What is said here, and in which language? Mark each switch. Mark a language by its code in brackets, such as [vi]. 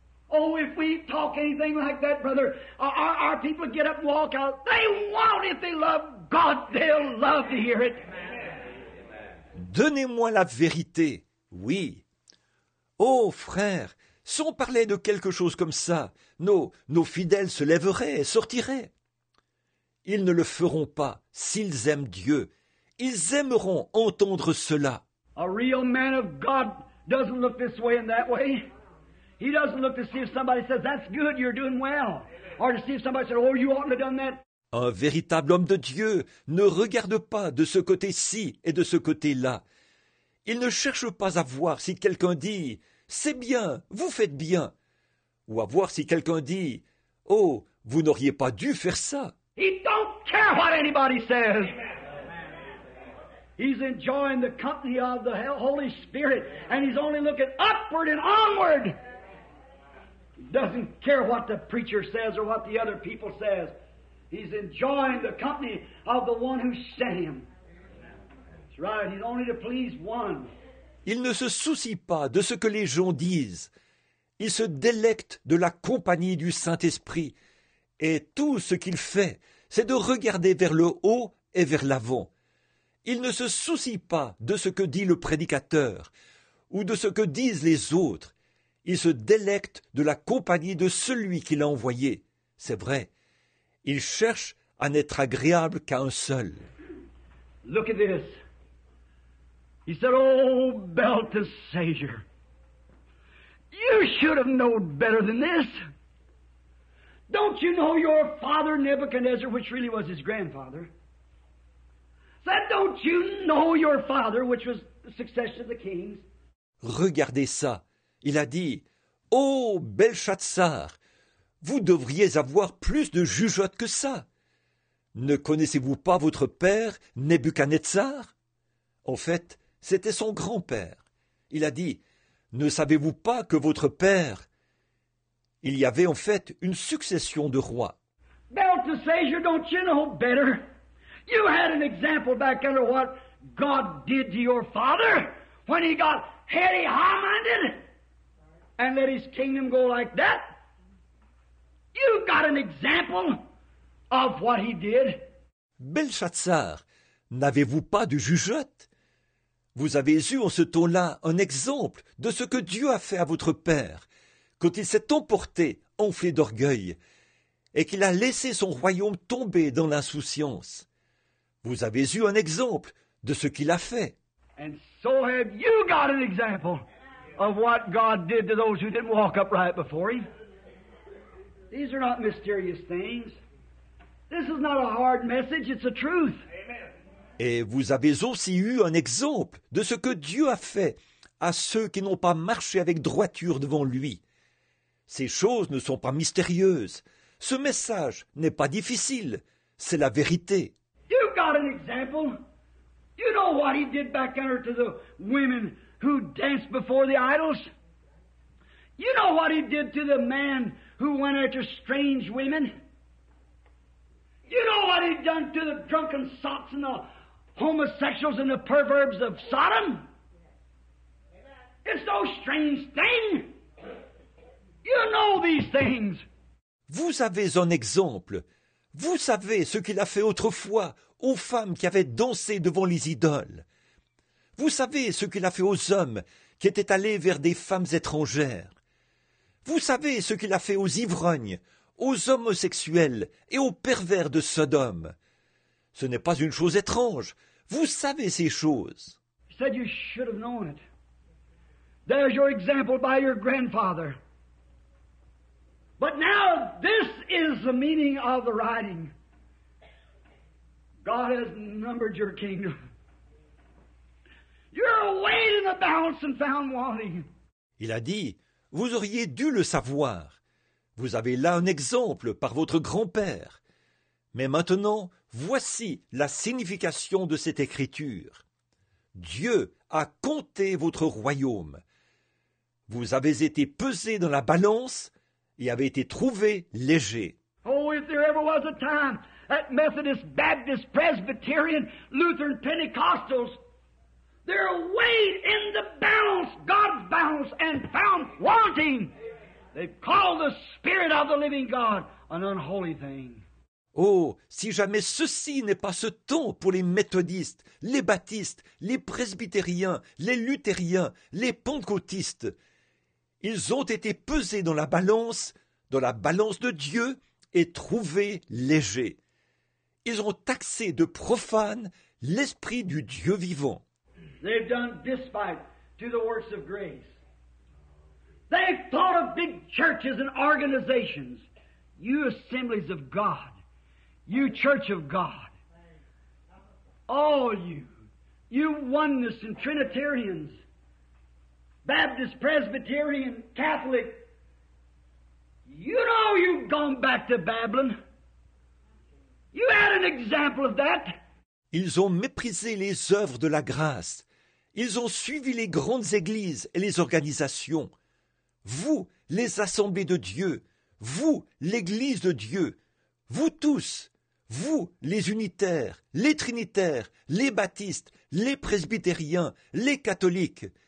[en] Oh, if we talk anything like that, brother, our people get up and walk out. They won't. If they love God, they'll love to hear it. [fr] Donnez-moi la vérité. Oui. Oh, frère, si on parlait de quelque chose comme ça, nos fidèles se lèveraient et sortiraient. Ils ne le feront pas s'ils aiment Dieu. Ils aimeront entendre cela. [en] A real man of God doesn't look this way and that way. He doesn't look to see if somebody says, that's good, you're doing well. Or to see if somebody says, oh, you oughtn't have done that. [fr] Un véritable homme de Dieu ne regarde pas de ce côté-ci et de ce côté-là. Il ne cherche pas à voir si quelqu'un dit, c'est bien, vous faites bien. Ou à voir si quelqu'un dit, oh, vous n'auriez pas dû faire ça. [en] He don't care what anybody says. He's enjoying the company of the Holy Spirit, and he's only looking upward and onward. Doesn't care what the preacher says or what the other people says. He's enjoying the company of the one who sent him. That's right. He's only to please one. [fr] Il ne se soucie pas de ce que les gens disent. Il se délecte de la compagnie du Saint-Esprit. Et tout ce qu'il fait, c'est de regarder vers le haut et vers l'avant. Il ne se soucie pas de ce que dit le prédicateur ou de ce que disent les autres. Il se délecte de la compagnie de celui qui l'a envoyé. C'est vrai. Il cherche à n'être agréable qu'à un seul. [en] Look at this. He said, oh, Belteshazzar, you should have known better than this. Don't you know your father Nebuchadnezzar, which really was his grandfather? Said, don't you know your father, which was the succession of the kings? [fr] Regardez ça. Il a dit, oh, Belshazzar, vous devriez avoir plus de jugeote que ça. Ne connaissez-vous pas votre père, Nebuchadnezzar? En fait, c'était son grand-père. Il a dit, « Ne savez-vous pas que votre père... » Il y avait en fait une succession de rois. [en] Belteshazzar, don't you know better? You had an example back under what God did to your father when he got heady high-minded and let his kingdom go like that. You got an example of what he did. [fr] Belshazzar, n'avez-vous pas de jugeote? Vous avez eu en ce temps-là un exemple de ce que Dieu a fait à votre père quand il s'est emporté, enflé d'orgueil, et qu'il a laissé son royaume tomber dans l'insouciance. Vous avez eu un exemple de ce qu'il a fait. [en] And so have you got an example of what God did to those who didn't walk upright before him. These are not mysterious things. This is not a hard message, it's a truth. [fr] Et vous avez aussi eu un exemple de ce que Dieu a fait à ceux qui n'ont pas marché avec droiture devant lui. Ces choses ne sont pas mystérieuses. Ce message n'est pas difficile. C'est la vérité. [en] You've got an example. You know what he did back under to the women who danced before the idols? You know what he did to the man who went after strange women? You know what he done to the drunken sots and the homosexuals and the perverbs of Sodom? It's no strange thing. You know these things. [fr] Vous avez un exemple. Vous savez ce qu'il a fait autrefois aux femmes qui avaient dansé devant les idoles. Vous savez ce qu'il a fait aux hommes qui étaient allés vers des femmes étrangères. Vous savez ce qu'il a fait aux ivrognes, aux homosexuels et aux pervers de Sodome. Ce n'est pas une chose étrange. Vous savez ces choses. [en] He said you should have known it. There's your example by your grandfather. But now this is the meaning of the writing. God has numbered your kingdom. You're weighed in the balance and found wanting. [fr] Il a dit, vous auriez dû le savoir. Vous avez là un exemple par votre grand-père. Mais maintenant, voici la signification de cette écriture. Dieu a compté votre royaume. Vous avez été pesé dans la balance et avait été trouvé léger. [en] Oh, if there ever was a time that Methodist, Baptist, Presbyterian, Lutheran, Pentecostals, they're weighed in the balance, God's balance, and found wanting. They've called the Spirit of the living God an unholy thing. [fr] Oh, si jamais ceci n'est pas ce temps pour les méthodistes, les baptistes, les presbytériens, les luthériens, les pentecôtistes. Ils ont été pesés dans la balance de Dieu, et trouvés légers. Ils ont taxé de profane l'esprit du Dieu vivant. [en] They've done despite to the works of grace. They've thought of big churches and organizations. You assemblies of God. You church of God. All you. You oneness and Trinitarians. Baptist, Presbyterian, Catholic. You know you've gone back to Babylon. You had an example of that. [fr] Ils ont méprisé les œuvres de la grâce. Ils ont suivi les grandes églises et les organisations. Vous, les assemblées de Dieu. Vous, l'église de Dieu. Vous tous. Vous, les unitaires, les trinitaires, les baptistes, les presbytériens, les catholiques.